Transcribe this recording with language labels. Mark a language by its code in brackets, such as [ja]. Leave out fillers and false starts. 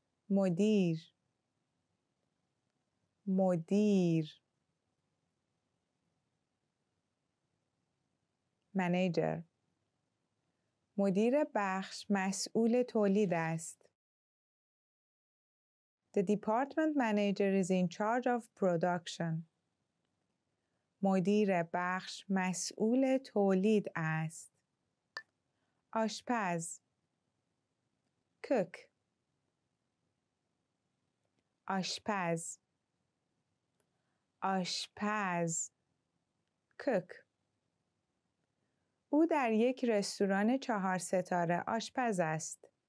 [fa] مدیر. مدیر. [en] Manager. [fa] مدیر بخش مسئول تولید است. [en] The department manager is in charge of production. [fa] مدیر بخش مسئول تولید است. آشپز cook آشپز آشپز cook او در یک رستوران 4 ستاره آشپز است.